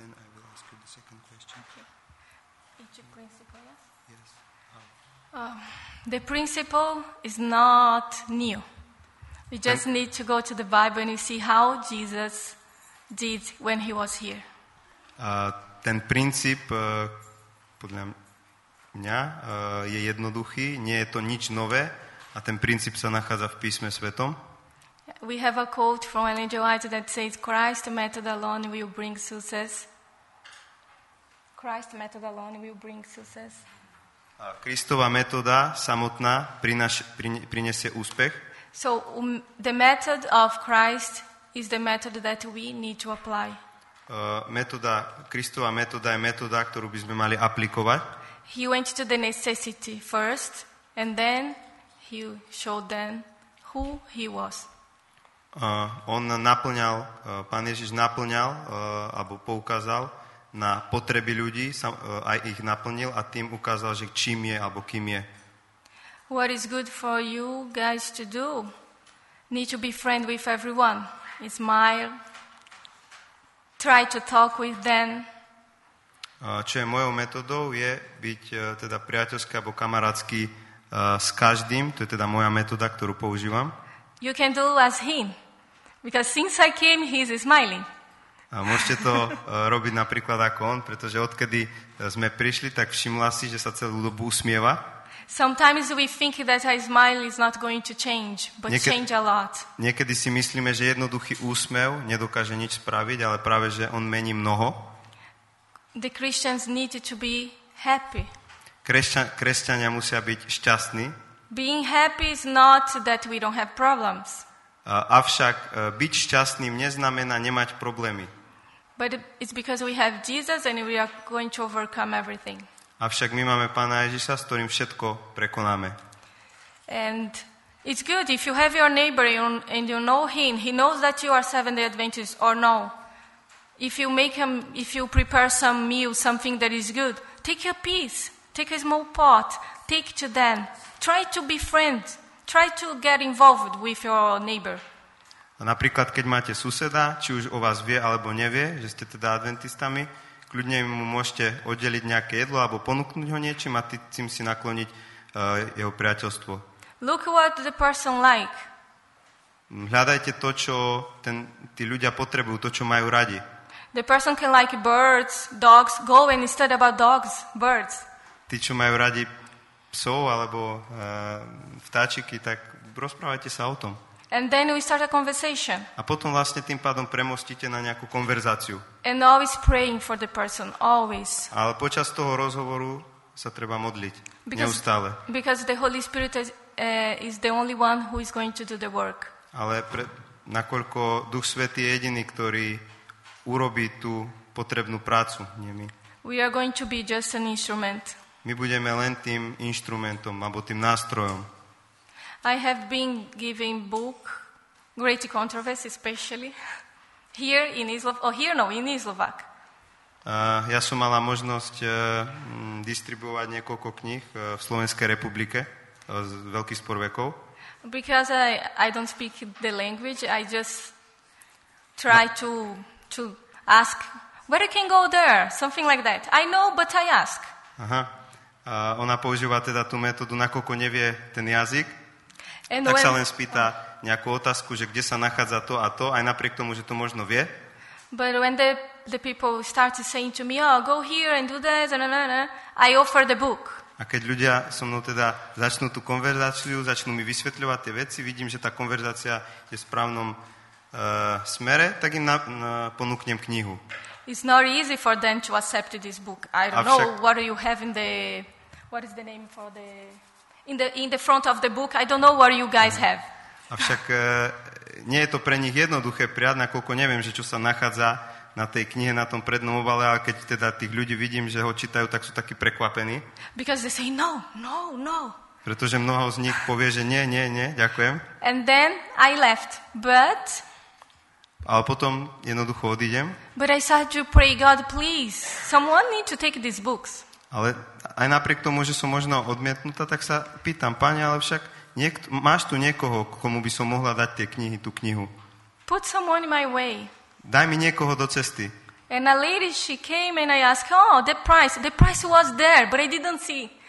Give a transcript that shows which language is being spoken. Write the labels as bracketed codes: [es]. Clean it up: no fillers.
[en] And then I will ask you the second question. Okay. Each principle, yes? Yes. The principle is not new. We just need to go to the Bible and see how Jesus did when he was here. [sk] Ten princíp, podľa mňa, je jednoduchý, nie je to nič nové a ten princíp sa nachádza v Písme Svätom. [en] We have a quote from Ellen G. White that says, Christ's method alone will bring success. Christ's method alone will bring success. [sk] A Kristova metóda samotná prinesie úspech. [en] So the method of Christ is the method that we need to apply. [sk] Metóda, Kristova metóda je metóda, ktorú by sme mali aplikovať. [en] He went to the necessity first and then he showed them who he was. [sk] On naplňal, pán Ježiš naplňal, alebo poukázal na potreby ľudí, aj ich naplnil a tým ukázal, že čím je alebo kým je. [en] What is good for you guys to do? Need to be friend with everyone. Smile. Try to talk with them. [sk] Čo je mojou metodou je byť teda priateľský alebo kamarátsky s každým. To je teda moja metoda, ktorú používam. [en] You can do as him. Because since I came, he's smiling. [sk] A môžete to robiť napríklad ako on, pretože odkedy sme prišli, tak všimla si, že sa celú dobu usmieva. [en] Sometimes we think that a smile is not going to change, but change a lot. [sk] Niekedy si myslíme, že jednoduchý úsmev nedokáže nič spraviť, ale práve, že on mení mnoho. [en] The Christians need to be happy. [sk] Kresťania musia byť šťastní. [en] Being happy is not that we don't have problems. [sk] Avšak byť šťastným neznamená nemať problémy. [en] But it's because we have Jesus and we are going to overcome everything. [sk] Avšak my máme Pána Ježiša, s ktorým všetko prekonáme. [en] And it's good if you have your neighbor and you know him, he knows that you are Seventh-day Adventist or no. If you make him, if you prepare some meal, something that is good, take a piece, take a small pot, take to them. Try to be friends. Try to get involved with your neighbor. [sk] A napríklad, keď máte suseda, či už o vás vie alebo nevie, že ste teda adventistami, kľudne mu môžete oddeliť nejaké jedlo alebo ponúknuť ho niečím a tým si nakloniť jeho priateľstvo. [en] Look what the person like. [sk] Hľadajte to, čo tí ľudia potrebujú, to, čo majú radi. [en] The person can like birds, dogs, go and study about dogs, birds. [sk] Tí, čo majú radi psov alebo vtáčiky, tak rozprávajte sa o tom. [en] And then we start a conversation. [sk] A potom vlastne tým pádom premostíte na nejakú konverzáciu. [en] And always praying for the person, always. [sk] Ale počas toho rozhovoru sa treba modliť, neustále. [en] Because the Holy Spirit is the only one who is going to do the work. [sk] Ale nakoľko Duch Svätý je jediný, ktorý urobí tú potrebnú prácu, nie my. [en] We are going to be just an instrument. [sk] My budeme len tým inštrumentom alebo tým nástrojom. [en] I have been giving book Great Controversy especially here in Islovak. [sk] Ja som mala možnosť distribuovať niekoľko kníh v Slovenskej republike z Veľký spor vekov. [en] Because I don't speak the language, I just try to ask where I can go there, something like that. I know but I ask. Aha. [sk] Ona používa teda tú metódu, nakoľko nevie ten jazyk. [en] And [sk] tak sa len spýta nejakú otázku, že kde sa nachádza to a to, aj napriek tomu, že to možno vie. [en] But when the people started saying to me, oh, go here and do this, and I offer the book. [sk] A keď ľudia so mnou teda začnú tú konverzáciu, začnú mi vysvetľovať tie veci, vidím, že tá konverzácia je v správnom smere, tak im ponúknem knihu. [en] It's not easy for them to accept this book. I don't know what you have in the... What is the name for the... In the front of the book, I don't know what you guys have. [sk] Avšak nie je to pre nich jednoduché prijať, nakoľko neviem, že čo sa nachádza na tej knihe, na tom prednom obale, ale keď teda tých ľudí vidím, že ho čítajú, tak sú takí prekvapení. [en] Because they say no, no, no. [sk] Pretože mnoho z nich povie, že nie, nie, nie, ďakujem. [en] And then I left, but... [sk] Ale potom jednoducho odídem. [en] But I started to pray, God, please, someone need to take these books. [sk] Ale aj napriek tomu, že som možno odmietnutá, tak sa pýtam, pani, ale však máš tu niekoho, komu by som mohla dať tie knihy, tú knihu? [en] Put someone in my way. [sk] Daj mi niekoho do cesty. [en] And a lady, she came and I asked, oh, the price was there, but I didn't see.